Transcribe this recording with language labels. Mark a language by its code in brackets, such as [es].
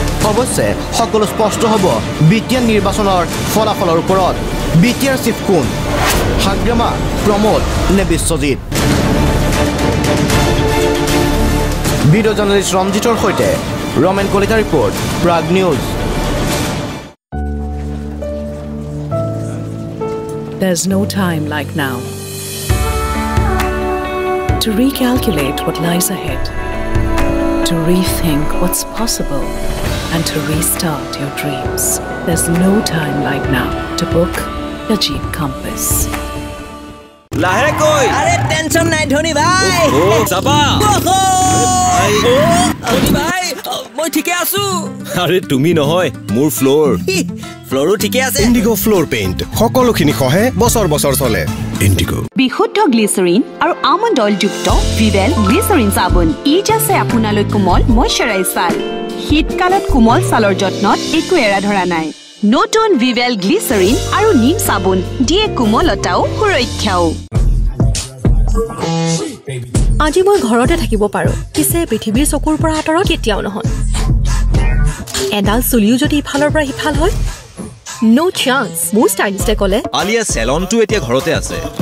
[as] অৱশ্যে সকলো স্পষ্ট হ'ব বিটিআৰ নিৰ্বাচনৰ ফলাফলৰ ওপৰত। বিটিআৰ চিফ কোন, হাগ্ৰামা, প্ৰমোদ নে বিশ্বজিৎ? ভিডিঅ' জাৰ্নেলিষ্ট ৰঞ্জিতৰ সৈতে Ramen Kalita, report Prag news. [en] There's no time like now to recalculate what lies ahead, to rethink what's possible and to restart your dreams. There's no time like now to book the Jeep Compass. [as] লাহে কই, আরে tension নাই ধনি ভাই, চাবা ভাই, ধনি ভাই মই ঠিকে আছো। আরে তুমি নহয়, মোর ফ্লোর ফ্লোরও ঠিকে আছে। ইন্ডিগো ফ্লোর পেইন্ট সকলোখিনি সহে বছর বছর চলে। বিশুদ্ধ গ্লিচেরিন আর আমন্ড অয়েল যুক্ত ভিভেল গ্লিচেরিন সাবুন, ইজ আছে আপোনালৈ কোমল ময়শ্চারাইজ সাল। শীতকালত কোমল সালর যত্নত একো এরা ধরা নাই। নতুন ভিভেল গ্লিচেরিন আর নিম সাবুন দিয়ে কোমলতাও সুরক্ষাও। আজি মই ঘৰতে থাকিব পাৰোঁ, পিছে পৃথিৱীৰ চকুৰ পৰা আঁতৰত কেতিয়াও নহয়। এডাল চুলিও যদি ইফালৰ পৰা সিফাল হয়, নো চান্স। মোৰ ষ্টাইলিষ্টে ক'লে আলিয়া চেলনটো এতিয়া ঘৰতে আছে।